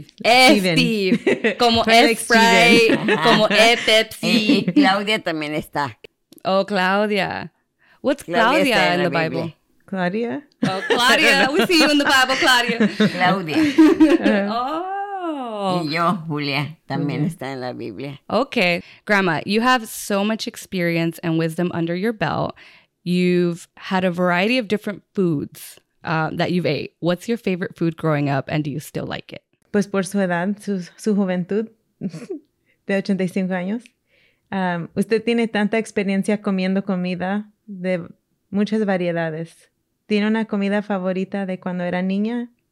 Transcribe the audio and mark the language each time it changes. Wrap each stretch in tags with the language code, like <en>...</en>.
<es>Steve. Como Sprite. Como Pepsi. Y Claudia también está.</es> <en>Oh, Claudia. What's Claudia in the Bible? Claudia. Oh, Claudia. We see you in the Bible, Claudia. Claudia. Oh.</en> <es>Y yo, Julia, también está en la Biblia.</es> <en>Okay. Grandma, you have so much experience and wisdom under your belt. You've had a variety of different foods that you've ate. What's your favorite food growing up and do you still like it?</en> <es>Pues por su edad, su juventud de 85 años. Usted tiene tanta experiencia comiendo comida de muchas variedades. ¿Tiene una comida favorita de cuando era niña?</es>